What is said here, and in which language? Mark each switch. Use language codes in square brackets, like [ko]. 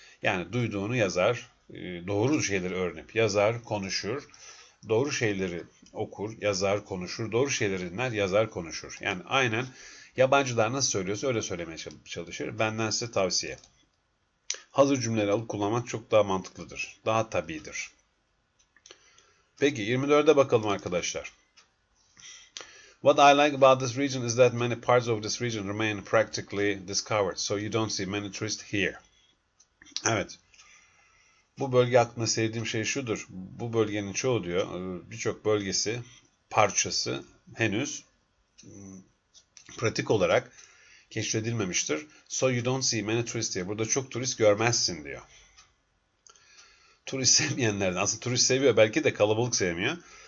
[tr] Yani duyduğunu yazar, doğru şeyleri öğrenip yazar, konuşur, doğru şeyleri okur, yazar, konuşur, doğru şeyleri dinler, yazar, konuşur. Yani aynen yabancılar nasıl söylüyorsa öyle söylemeye çalışır. Benden size tavsiye. Hazır cümleleri alıp kullanmak çok daha mantıklıdır, daha tabidir. Peki 24'e bakalım arkadaşlar. [en] What I like about this region is that many parts of this region remain practically discovered, so you don't see many tourists here. [tr] Evet, bu bölge hakkında sevdiğim şey şudur. Bu bölgenin çoğu diyor, birçok bölgesi, parçası henüz pratik olarak keşfedilmemiştir. [en] So you don't see many tourists here. [tr] Burada çok turist görmezsin diyor. Turist sevmeyenlerden, aslında turist seviyor, belki de kalabalık sevmiyor.